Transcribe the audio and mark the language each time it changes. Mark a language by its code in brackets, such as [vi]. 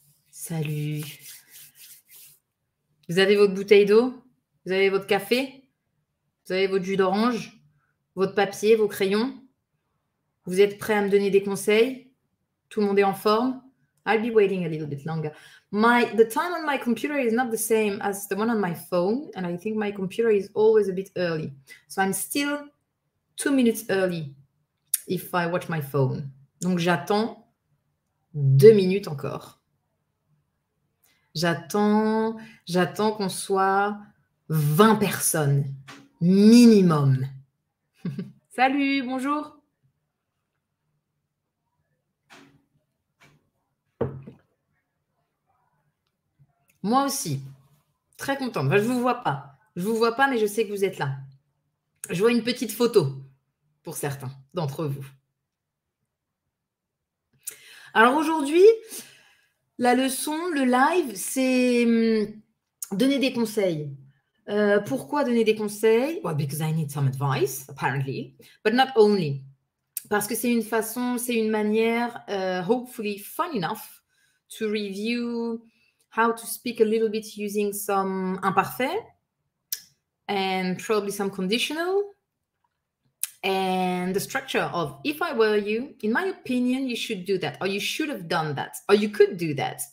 [fr] Salut. Vous avez votre bouteille d'eau? Vous avez votre café? Vous avez votre jus d'orange? Votre papier, vos crayons? Vous êtes prêts à me donner des conseils? Tout le monde est en forme? [en] I'll be waiting a little bit longer. The time on my computer is not the same as the one on my phone. And I think my computer is always a bit early. So I'm still 2 minutes early if I watch my phone. [fr] Donc j'attends 2 minutes encore. J'attends qu'on soit 20 personnes minimum. Salut, bonjour. Moi aussi, très contente. Enfin, je ne vous vois pas. Je ne vous vois pas, mais je sais que vous êtes là. Je vois une petite photo pour certains d'entre vous. Alors aujourd'hui, la leçon, le live, c'est donner des conseils. Pourquoi donner des conseils? [en] Well, because I need some advice, apparently, but not only. [fr] Parce que c'est une façon, c'est une manière, [en] hopefully fun enough, to review how to speak a little bit using some imparfait and probably some conditional and the structure of if I were you, in my opinion, you should do that or you should have done that or you could do that.